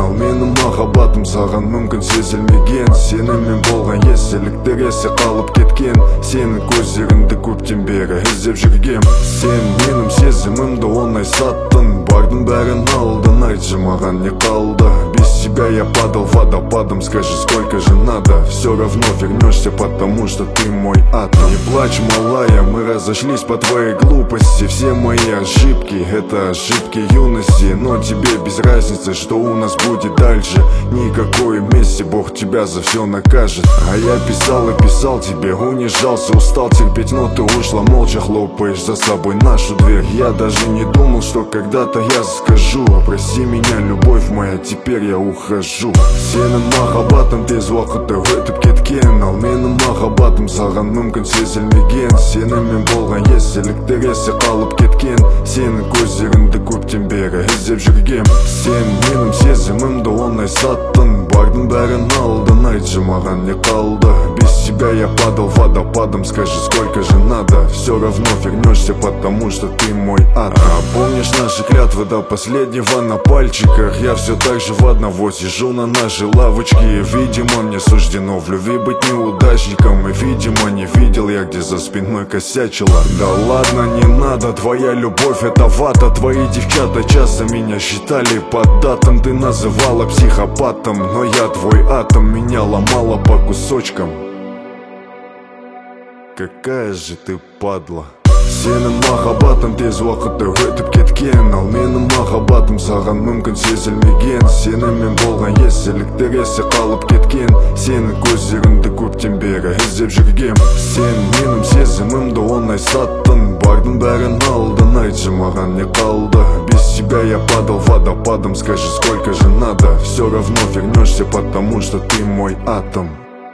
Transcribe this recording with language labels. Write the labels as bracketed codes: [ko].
[kk] Ал менің махаббатым саған мүмкін сезілмеген. Сенімен болған естеліктер есе қалып кеткен. Сенің көздеріңді көптен бері іздеп жүргем. Сен менің сезімімді оңай саттың, бардың бәрін алдың, айтшы маған не қалды. [ru] Тебя я падал водопадом, скажи, сколько же надо. Все равно вернешься, потому что ты мой ад. Не плачь, малая, мы разошлись по твоей глупости. Все мои ошибки, это ошибки юности. Но тебе без разницы, что у нас будет дальше. Никакой мести, Бог тебя за все накажет. А я писал и писал тебе, унижался, устал терпеть. Но ты ушла молча, хлопаешь за собой нашу дверь. Я даже не думал, что когда-то я скажу. Прости меня, любовь моя, теперь я ухожу. [kk] Сенің махаббатым тез уақытта өтіп кеткен. Ал менің махаббатым саған мүмкін сезілмеген. Сенімен болған естеліктер есе қалып кеткен. Сенің көздеріңді көптен бері іздеп жүргем. Сен менің сезімімді оңай саттың, бардың бәрін алдың, айтшы маған не қалды. [ru] Без тебя я падал водопадом, скажи, сколько же надо. Все равно вернешься, потому что ты мой ад. А помнишь наши клятвы до последнего на пальчиках? Я все так же в одного сижу на нашей лавочке. Видимо, мне суждено в любви быть неудачником. И видимо, не видел я, где за спиной косячила. Да ладно, не надо, твоя любовь это вата. Твои девчата часто меня считали поддатым. Ты называла психопатом, но я твой атом. Меня ломала по кусочкам. Какая же ты падла. [kk] Сенің махаббатым тез уақытта өтіп кеткен. Ал менің махаббатым саған мүмкін сезілмеген. Сенімен болған естеліктер есе қалып кеткен. Сенің көздеріңді көптен бері іздеп жүргем. Сен менің сезімімді оңай саттың, бардың бәрін алдың, айтшы маған не қалды. [ru] Без тебя я падал водопадом, скажи, сколько же надо. Все равно вернешься, потому что ты мой атом.